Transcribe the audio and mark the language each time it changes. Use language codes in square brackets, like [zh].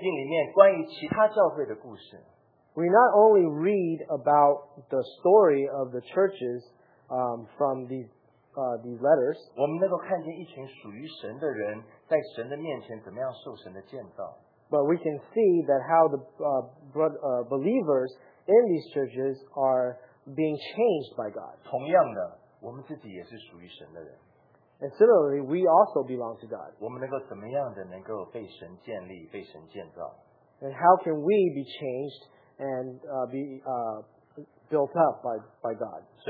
[zh] 我们不只是读圣经里面关于其他教会的故事。 [en] We not only read about the story of the churches from these letters. [zh] 我们能够看见一群属于神的人在神的面前怎么样受神的建造。 [en] But we can see that how the believers in these churches are being changed by God. [zh] 同样的，我们自己也是属于神的人。 [en] And similarly, we also belong to God. [zh] 我们能够怎么样的能够被神建立，被神建造？ [en] And how can we be changed and be built up by God?